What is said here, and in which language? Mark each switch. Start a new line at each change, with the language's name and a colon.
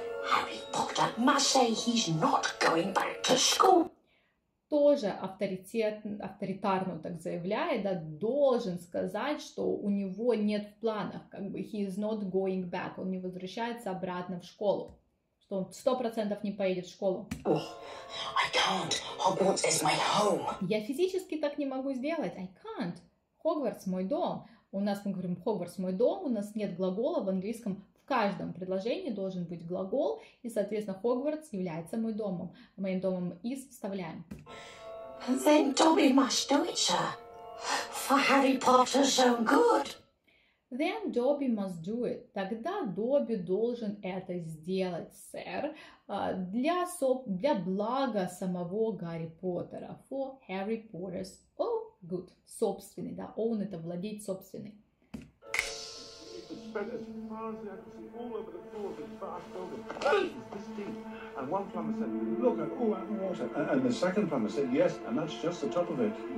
English: Harry Potter must say he's not going back to school.
Russian: Тоже авторитарно так заявляет, да, должен сказать, что у него нет в планах, как бы
English: he is not going back,
Russian: он не возвращается обратно в школу, что он 100% не поедет в школу.
English: Oh, I can't. Hogwarts is my home.
Russian: Я физически так не могу сделать.
English: I can't.
Russian: Hogwarts мой дом. У нас мы говорим Hogwarts мой дом, у нас нет глагола в английском. В каждом предложении должен быть глагол, и, соответственно, Хогвартс является мой домом. Моим домом is вставляем.
English: Then Dobby must do it, sir, for Harry Potter's own good. Then Dobby must do it.
Russian: Тогда Добби должен это сделать, сэр, для блага самого Гарри Поттера.
English: For Harry Potter's own good.
Russian: Собственный, да, own это владеть собственный.
English: And one plumber said, look, I'm all out of water. And the second plumber said, yes, and that's just the top of it.